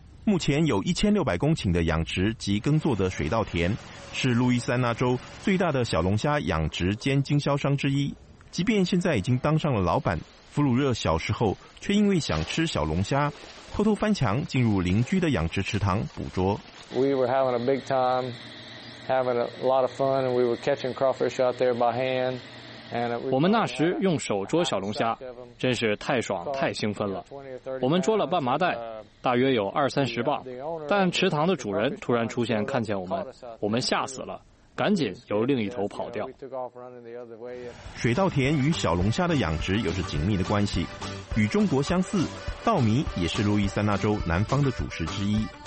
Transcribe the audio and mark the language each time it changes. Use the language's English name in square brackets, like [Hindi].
[Chinese] 目前有1600公顷的养殖及耕作的水稻田，是路易斯安那州最大的小龙虾养殖兼经销商之一。即便现在已经当上了老板，弗鲁热小时候却因为想吃小龙虾，偷偷翻墙进入邻居的养殖池塘捕捉。 [English] We were having a big time, having a lot of fun, and we were catching crawfish out there by hand. And [Chinese] 我们那时用手捉小龙虾，真是太爽太兴奋了。我们捉了半麻袋，大约有20-30磅。但池塘的主人突然出现，看见我们吓死了。赶紧由另一头跑掉。水稻田与小龙虾的养殖有着紧密的关系，与中国相似，稻米也是路易斯安那州南方的主食之一。